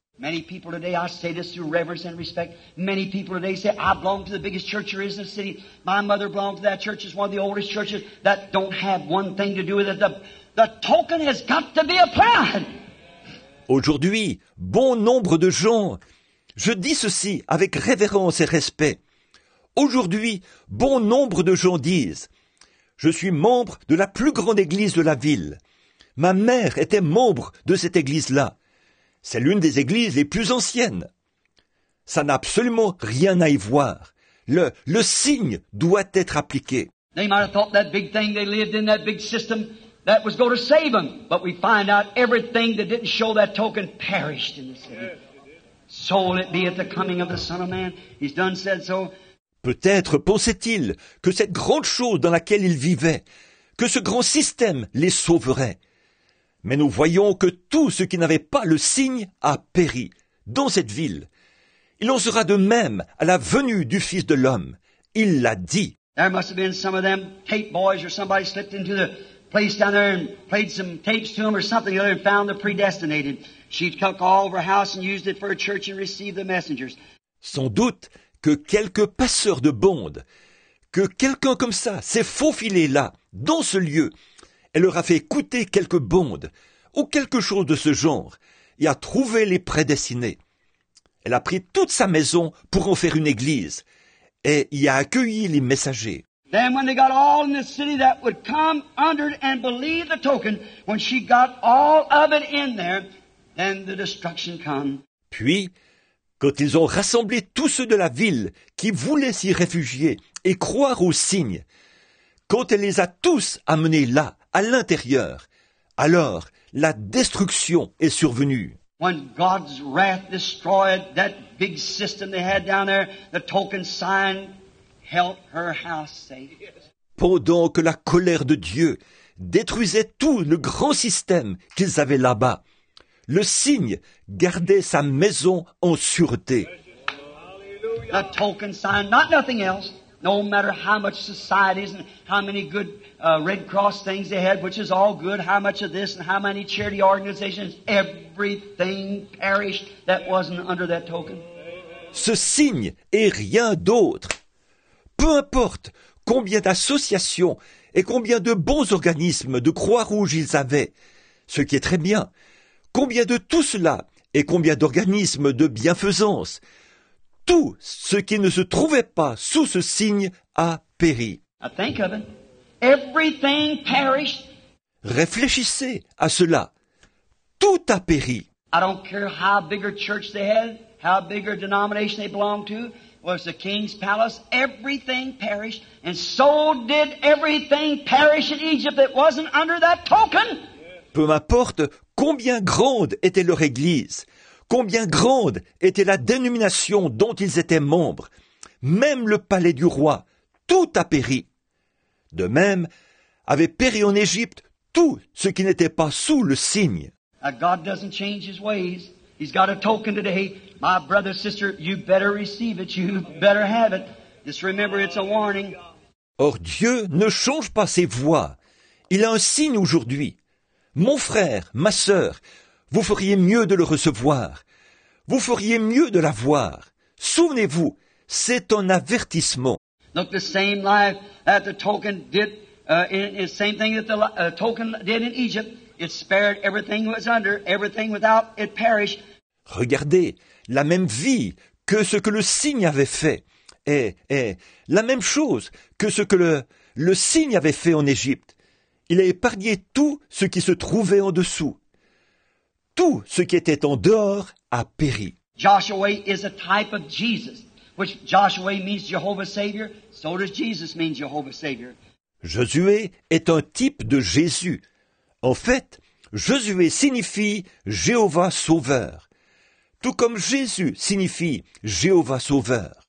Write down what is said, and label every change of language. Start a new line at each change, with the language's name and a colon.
English: Many people today, I say this through reverence and respect, many people today say, I belong to the biggest church there is in the city. My mother belonged to that church. It's one of the oldest churches that don't have one thing to do with it. The token has got to be applied.
French: Aujourd'hui, bon nombre de gens, je dis ceci avec révérence et respect. Aujourd'hui, bon nombre de gens disent, je suis membre de la plus grande église de la ville. Ma mère était membre de cette église-là. C'est l'une des églises les plus anciennes. Ça n'a absolument rien à y voir. Le signe doit être appliqué.
English: They might have thought that big thing they lived in, that big system, that was going to save them. But we find out everything that didn't show that token perished in the city. So will it be at the coming of the Son of Man. He's done said so.
French: Peut-être pensait-il que cette grande chose dans laquelle ils vivaient, que ce grand système les sauverait. Mais nous voyons que tout ce qui n'avait pas le signe a péri dans cette ville. Il en sera de même à la venue du Fils de l'homme. Il l'a dit.
English: There must have been some of them tape boys or somebody slipped into the place down there and played some tapes to them or something other and found the predestinated. She took all of her house and used it for a church and received the messengers.
French: Sans doute que quelques passeurs de bande, que quelqu'un comme ça s'est faufilé là, dans ce lieu, elle leur a fait écouter quelques bondes ou quelque chose de ce genre et a trouvé les prédestinés. Elle a pris toute sa maison pour en faire une église et y a accueilli les messagers.
English: Then when they got all in the city that would come under and believe the token, when she got all of it in there, then the destruction come.
French: Puis, quand ils ont rassemblé tous ceux de la ville qui voulaient s'y réfugier et croire aux signes, quand elle les a tous amenés là, à l'intérieur, alors la destruction est survenue.
English: When God's wrath destroyed that big system they had down there, the token sign held her house safe.
French: Pendant que la colère de Dieu détruisait tout le grand système qu'ils avaient là-bas, le signe gardait sa maison en sûreté.
English: The token sign, not nothing else. No matter how much societies and how many good Red Cross things they had, which is all good, how much of this and how many charity organizations, everything perished that wasn't under that token.
French: Ce signe est rien d'autre. Peu importe combien d'associations et combien de bons organismes de Croix-Rouge ils avaient, ce qui est très bien, combien de tout cela et combien d'organismes de bienfaisance, tout ce qui ne se trouvait pas sous ce signe a péri.
English: I think of it. Everything perished.
French: Réfléchissez à cela. Tout a péri.
English: I don't care how big a church they had, how big a denomination they belonged to, was the king's palace. Everything perished. And so did everything perish in Egypt that wasn't under that token.
French: Peu m'importe combien grande était leur église. Combien grande était la dénomination dont ils étaient membres. Même le palais du roi, tout a péri. De même, avait péri en Égypte tout ce qui n'était pas sous le signe.
English: God doesn't change his ways. He's got a token today. My brother, sister, you better receive it. You better have it. Just remember, it's a warning.
French: Or Dieu ne change pas ses voies. Il a un signe aujourd'hui. Mon frère, ma sœur, vous feriez mieux de le recevoir. Vous feriez mieux de l'avoir. Souvenez-vous, c'est un avertissement.
English: Look, the same life that the token did, the same thing that the token did in Egypt, it spared everything was under, everything without it perished.
French: Regardez, la même vie que ce que le signe avait fait, et la même chose que ce que le signe avait fait en Égypte. Il a épargné tout ce qui se trouvait en dessous. Tout ce qui était en dehors a péri.
English: Joshua is a type of Jesus, which Joshua means Jehovah's Savior, so does Jesus mean Jehovah's Savior.
French: Josué est un type de Jésus. En fait, Josué signifie Jéhovah Sauveur, tout comme Jésus signifie Jéhovah Sauveur.